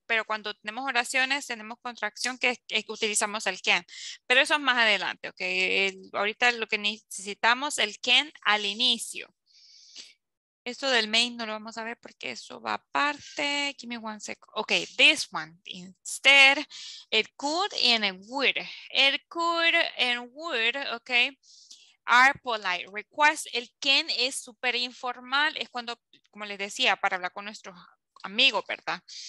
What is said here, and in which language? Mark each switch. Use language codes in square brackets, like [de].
[es] Pero cuando tenemos oraciones, tenemos contracción que utilizamos el can. Pero eso es más adelante, ¿ok? Ahorita lo que necesitamos es el can al inicio. Esto del main no lo vamos a ver porque eso va aparte. [en] Give me one sec. Okay, this one. Instead, it could and it would. It could and would, okay, are polite requests. [es] El can es súper informal. Es cuando, como les decía, para hablar con nuestros amigos, ¿verdad?